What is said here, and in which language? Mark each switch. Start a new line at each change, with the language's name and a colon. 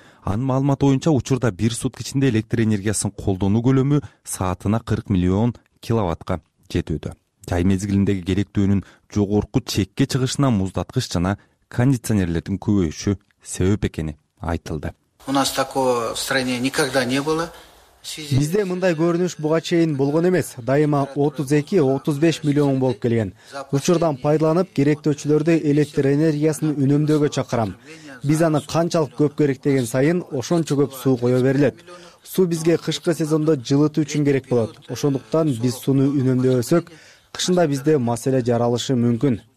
Kyrgyz: Анын маалымат боюнча учурда бир сутка ичинде электр энергиясын колдонуу көлөмү саатына 40 миллион киловаттка жетүүдө. Жай мезгилиндеги керектөөнүн жогорку чекке чыгышына муздаткыч жана кондиционерлердин көбөйүшү себеп экени айтылды.
Russian: У нас такого в стране никогда не было.
Kyrgyz: Бизде мындай көрүнүш буга чейин болгон эмес. Дайыма 32-35 миллион болуп келген. Учурдан пайдаланып, керектөөчүлөрдү электр энергиясын үнөмдөөгө чакырам. Биз аны канчалык көп керек деген сайын ошончо көп суу кое берилет. Суу бизге кышкы сезондо жылытуу үчүн керек болот. Ошондуктан биз сууну үнөмдөбөсөк, кышында бизде маселе жаралышы мүмкүн.